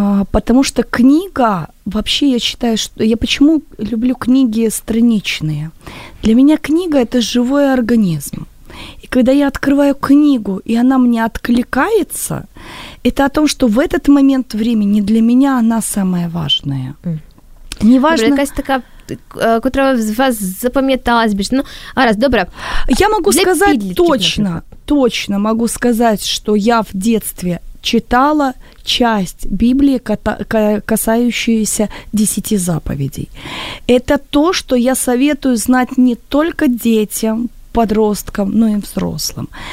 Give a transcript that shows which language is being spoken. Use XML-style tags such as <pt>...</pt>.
<ru>Потому что книга, вообще я считаю, что я почему люблю книги страничные? Для меня книга – это живой организм. И когда я открываю книгу, и она мне откликается, это о том, что в этот момент времени для меня она самая важная. Неважно.</ru> <uk>Добре, якась така, котра вас запам'яталась більше. Ну, раз, добре.</uk> <ru>Я могу сказать точно могу сказать, что я в детстве читала часть Библии, касающуюся 10 заповедей. Это то, что я советую знать не только детям, подросткам, но и взрослым.</ru>